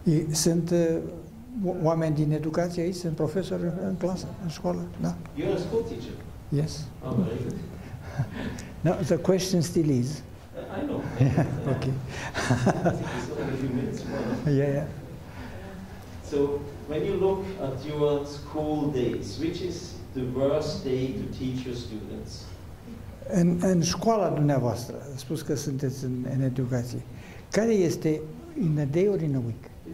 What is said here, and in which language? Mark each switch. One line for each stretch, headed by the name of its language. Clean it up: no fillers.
Romanian: Sunt oameni din educație aici, sunt profesori în clasă, în școală, da.
English: You're a school teacher? Yes. Oh, very good. No, the question still is. I know. Okay. I think it's only a few minutes more. Yeah. So, when you look at your school days, which is the worst day to teach your students?
Romanian: În școala dumneavoastră, spus că sunteți în educație, care este
English: in a day or in a week?